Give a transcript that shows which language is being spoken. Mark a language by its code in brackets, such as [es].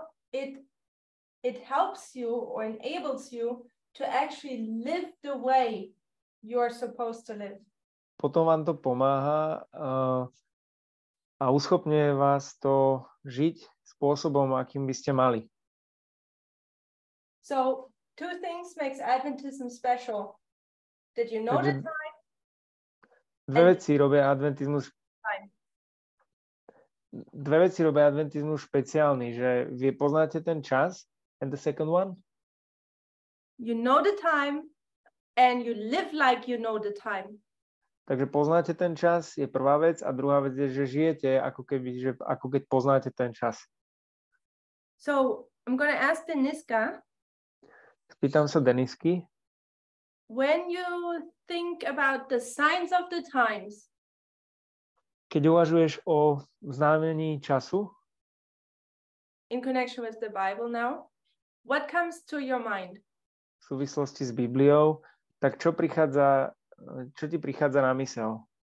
[en] It helps you or enables you to actually live the way you are supposed to live. [sk] Potom vám to pomáha a uschopňuje vás to žiť spôsobom, akým by ste mali. [en] So, two things makes Adventism special. Did you know the time? [sk] Dve veci robia Adventizmus špeciálny, že vy poznáte ten čas. [en] And the second one? You know the time and you live like you know the time. [sk] Takže poznáte ten čas, je prvá vec, a druhá vec je, že žijete, ako keby, že ako keď poznáte ten čas. [en] So, I'm going to ask Deniska. [sk] Spýtam sa Denisky. [en] When you think about the signs of the times, [sk] keď uvažuješ o znamení času, [en] in connection with the Bible now, what comes to your mind? [sk] V súvislosti s Bibliou, tak čo prichádza, čo ti prichádza na mysel?